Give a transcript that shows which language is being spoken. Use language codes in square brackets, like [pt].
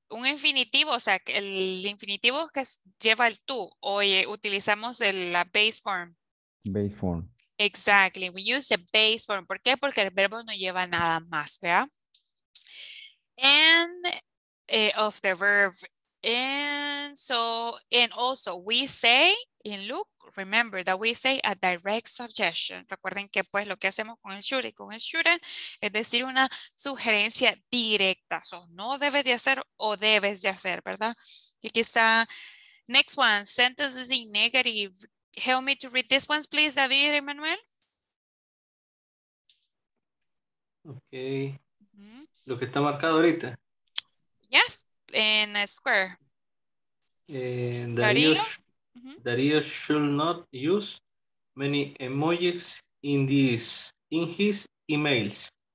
[es] Un infinitivo, o sea, el infinitivo que lleva el tú. Oye, utilizamos la base form. [en] Base form. Exactly. We use the base form. [es] ¿Por qué? Porque el verbo no lleva nada más, ¿verdad? [en] And of the verb. And so, and also we say in look, remember that we say a direct suggestion. [es] Recuerden que pues lo que hacemos con el should y con el shouldn't es decir una sugerencia directa. So no debes de hacer o debes de hacer, ¿verdad? Y aquí está, [en] next one, sentences in negative. Help me to read this one, please, David, Emmanuel. [es] Okay. Mm-hmm. Lo que está marcado ahorita. [en] Yes, in a square. Darío should not use many emojis in his emails.